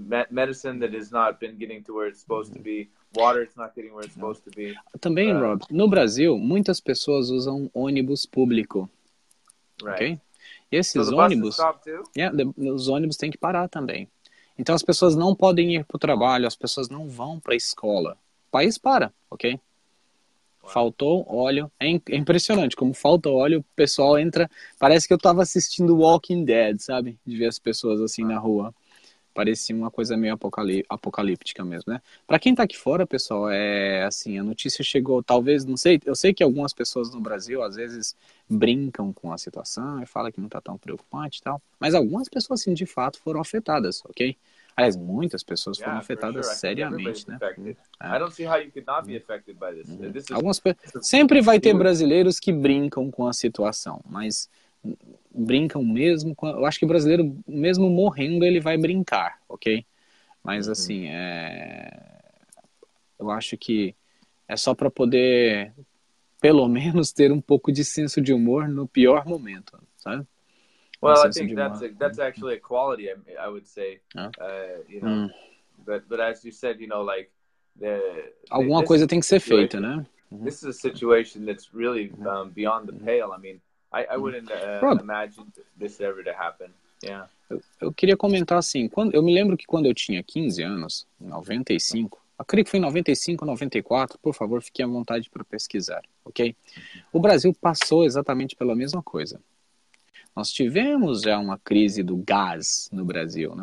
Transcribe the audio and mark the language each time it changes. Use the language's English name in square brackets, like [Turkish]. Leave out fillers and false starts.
[English] medicine that has not been getting to where it's supposed to be, water it's not getting where it's supposed to be. [Portuguese] Também, Rob, no Brasil muitas pessoas usam ônibus público, [English] right? Okay? [Portuguese] E esses os ônibus têm que parar também. Então as pessoas não podem ir para o trabalho, as pessoas não vão para a escola. O país para, ok? Wow. Faltou óleo. É impressionante, como falta óleo, o pessoal entra... Parece que eu estava assistindo Walking Dead, sabe? De ver as pessoas assim na rua. Parecia uma coisa meio apocalíptica mesmo, né? Para quem está aqui fora, pessoal, é assim, a notícia chegou, talvez, não sei, eu sei que algumas pessoas no Brasil, às vezes, brincam com a situação e falam que não está tão preocupante e tal, mas algumas pessoas, sim, de fato, foram afetadas, ok? Aliás, muitas pessoas foram afetadas seriamente, né? [English] I don't see how you could not be affected by this. This is... [Portuguese] Sempre vai ter brasileiros que brincam com a situação, mas... brincam mesmo, eu acho que o brasileiro mesmo morrendo ele vai brincar, ok? Mas assim, eu acho que é só para poder pelo menos ter um pouco de senso de humor no pior momento, sabe? [English] Well, I think that's actually a quality, I would say. But as you said, you know, like [Portuguese] alguma coisa tem que ser feita, né? [English] This is a situation that's really beyond the pale. I mean, I wouldn't imagine this ever to happen. Yeah. [Portuguese] Eu queria comentar assim, eu me lembro que quando eu tinha 15 anos, em 95, acredito que foi em 95, 94, por favor, fique à vontade para pesquisar, ok? O Brasil passou exatamente pela mesma coisa. Nós tivemos já uma crise do gás no Brasil, né?